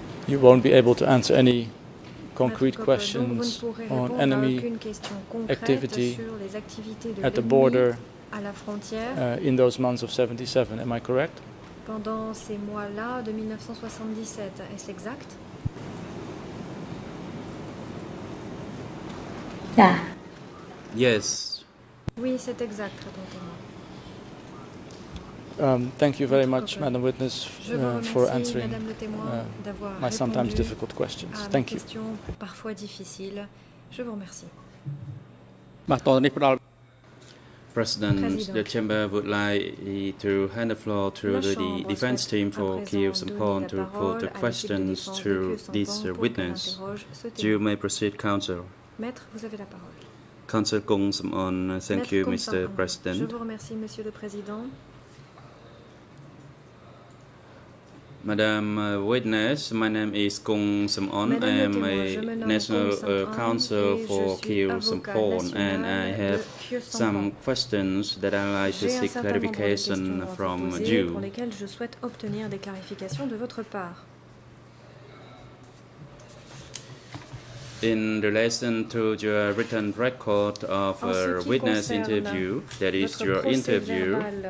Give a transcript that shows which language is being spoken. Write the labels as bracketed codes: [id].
[en] you won't be able to answer any concrete questions on enemy activity at the border in those months of 77. Am I correct? [fr] Pendant ces mois-là de 1977, est-ce exact? [en] Yes. [fr] Oui, c'est exact, répondez-moi. [en] Thank you very much, Madam Witness, for answering my sometimes difficult questions. Thank you. [fr] Parfois difficile. Je vous remercie. [en] President, the chamber would like to hand the floor to the defense team for Kyiv Sampon to report the questions to this witness. You may proceed, counsel. [fr] Maître, vous avez la parole. [en] Counsel Kong Sampon, thank you, Mr. President. [fr] Je vous remercie, Monsieur le Président. [en] Madam Witness, my name is Kong Sam-on. I am a national counsel for Kyiv Sampon, and I have some questions that I'd like to seek clarification from you. [fr] Pour lesquelles je souhaite obtenir des clarifications de votre part. [en] In relation to your written record of a witness interview, that is your interview,